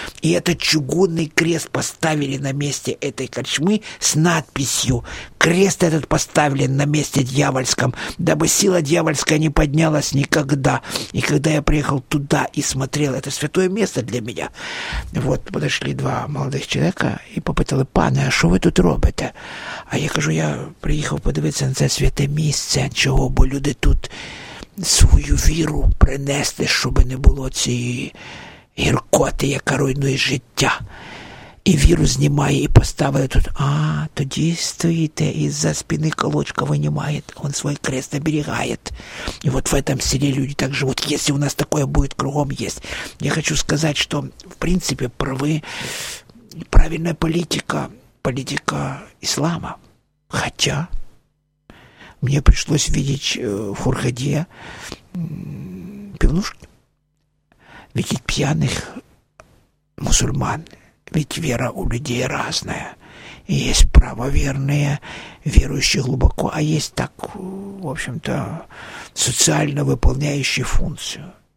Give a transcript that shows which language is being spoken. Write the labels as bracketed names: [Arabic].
[Russian] И этот чугунный крест поставили на месте этой корчмы с надписью. Крест этот поставлен на месте дьявольском, дабы сила дьявольская не поднялась никогда. И когда я приехал туда и смотрел, это святое место для меня. Вот подошли два молодых человека и попытали: «Пане, а что вы тут робите?» [Ukrainian] А я кажу: «Я приехал подивиться на це святе місце, чого, бо люди тут свою віру принесли, щоб не було цієї гіркоти, яка руйнує життя. І віру знімає і поставить тут. А, тоді стоїте, і за спини колочка винімає. Він свій крест оберігає. І от в цьому селі люди так живуть. Якщо у нас таке буде, кругом є. Я хочу сказати, що, в принципі, правильна політика, політика іслама. [Russian] Хоча мне пришлось видеть в Хургаде пивнушки, видеть пьяных мусульман, ведь вера у людей разная. И есть правоверные, верующие глубоко, а есть так, в общем-то, социально выполняющие функцию.